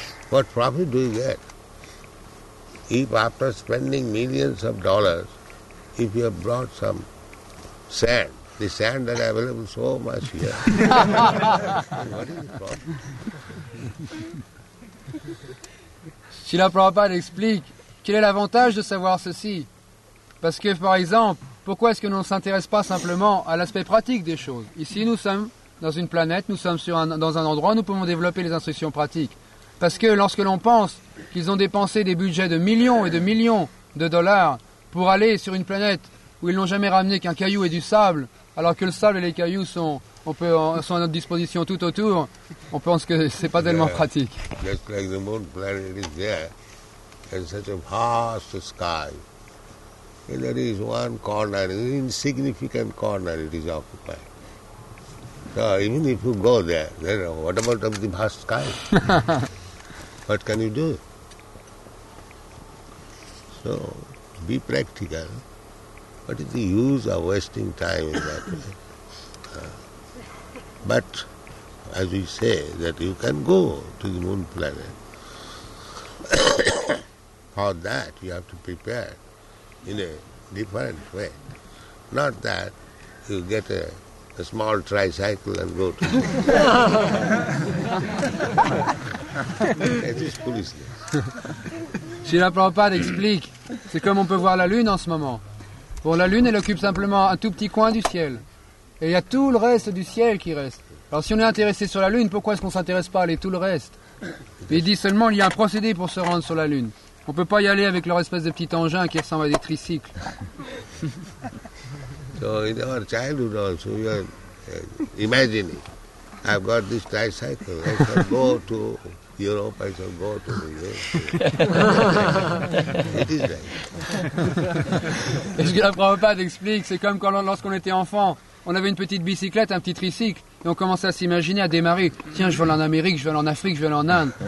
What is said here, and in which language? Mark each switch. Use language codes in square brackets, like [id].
[en] What profit do you get? If after spending millions of dollars, if you have brought some sand, the sand that is available so much here, what is the profit? [fr] Srila Prabhupada explique quel est l'avantage de savoir ceci. Parce que, par exemple, pourquoi est-ce que l'on ne s'intéresse pas simplement à l'aspect pratique des choses? Ici, nous sommes dans une planète, nous sommes dans un endroit où nous pouvons développer les instructions pratiques. Parce que lorsque l'on pense qu'ils ont dépensé des budgets de millions et de millions de dollars pour aller sur une planète où ils n'ont jamais ramené qu'un caillou et du sable, alors que le sable et les cailloux sont à notre disposition tout autour, on pense que ce n'est pas tellement pratique. [en] Just like the moon planet is there, and such a vast sky, and there is one corner, an insignificant corner it is occupied. So even if you go there, then what about the vast sky? What can you do? So be practical. What is the use of wasting time in that way? But, as we say, that you can go to the moon planet. For that, you have to prepare in a different way. Not that you get a small tricycle and go to the moon. It is foolishness. [fr] Srila Prabhupada explique, c'est comme on peut voir la lune en ce moment. Bon, la lune, elle occupe simplement un tout petit coin du ciel. Et il y a tout le reste du ciel qui reste. Alors si on est intéressé sur la Lune, pourquoi est-ce qu'on ne s'intéresse pas à aller tout le reste? Il dit seulement qu'il y a un procédé pour se rendre sur la Lune. On ne peut pas y aller avec leur espèce de petit engin qui ressemble à des tricycles. [en] So in our childhood also, we are imagining, I've got this tricycle, I shall go to Europe, I shall go to the US. It is like. [fr] Et ce que la Prabhupada explique, c'est comme quand lorsqu'on était enfant, on avait une petite bicyclette, un petit tricycle, et on commençait à s'imaginer, à démarrer. Tiens, je vais aller en Amérique, je vais aller en Afrique, je vais aller en Inde.